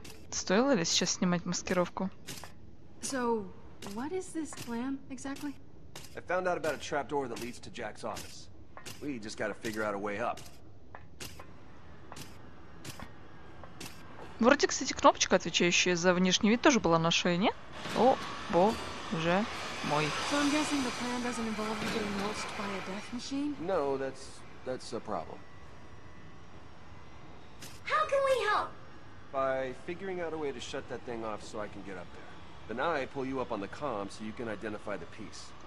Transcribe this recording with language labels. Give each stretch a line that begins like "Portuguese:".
Russian: Стоило ли сейчас снимать маскировку?
English: So, what is this plan exactly? I found out about a trapdoor that leads to Jack's office. We just gotta figure out a way up.
Russian: Вроде, кстати, кнопочка, отвечающая за внешний вид, тоже была на шее, не? О, боже мой.
English: So I'm guessing the plan doesn't involve you getting mulched by a death machine? No, that's a problem. How can we help? By figuring out a way to shut that thing off so I can get up there. But now I pull you up on the comm so you can identify the piece.